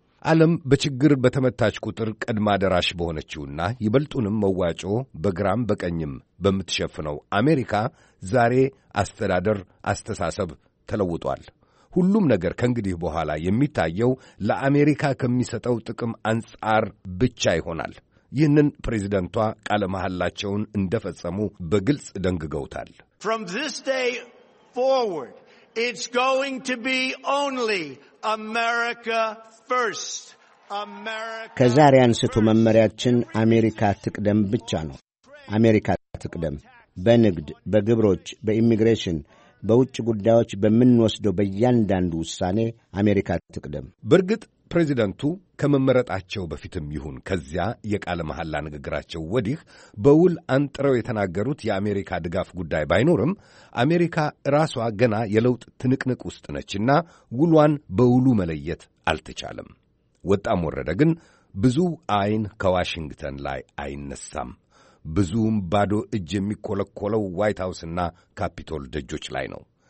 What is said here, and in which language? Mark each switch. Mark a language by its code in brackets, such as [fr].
[am] ዓለም በችግር በተመታች ቁጥር ቀድማ ደራሽ በሆነችውና ይበልጡንም መዋጮ በግራም በቀኝም በምትሸፍነው አሜሪካ ዛሬ አስተዳደር አስተሳሰብ ተለውጧል። ሁሉም ነገር ከእንግዲህ በኋላ የሚታየው ለአሜሪካ ከሚሰጠው ጥቅም አንጻር ብቻ ይሆናል። ይህንን ፕሬዚደንቷ ቃለ መሐላቸውን እንደፈጸሙ በግልጽ ደንግገውታል። [en] From this day forward, it's going to be only America first. [am] ከዛሬ አንስቶ መመሪያችን አሜሪካ ትቅደም ብቻ ነው። አሜሪካ ትቅደም። በንግድ፣ በግብሮች፣ በኢሚግሬሽን፣ በውጭ ጉዳዮች በምንወስደው በእያንዳንዱ ውሳኔ አሜሪካ ትቅደም። በርግጥ ፕሬዚደንቱ ከመመረጣቸው በፊትም ይሁን ከዚያ የቃለ መሐላ ንግግራቸው ወዲህ በውል አንጥረው የተናገሩት የአሜሪካ ድጋፍ ጉዳይ ባይኖርም አሜሪካ ራሷ ገና የለውጥ ትንቅንቅ ውስጥ ነችና ውሏን በውሉ መለየት አልተቻለም። ወጣም ወረደ ግን ብዙ አይን ከዋሽንግተን ላይ አይነሳም። ብዙም ባዶ እጅ የሚኮለኮለው ዋይት ሃውስና ካፒቶል ደጆች ላይ ነው።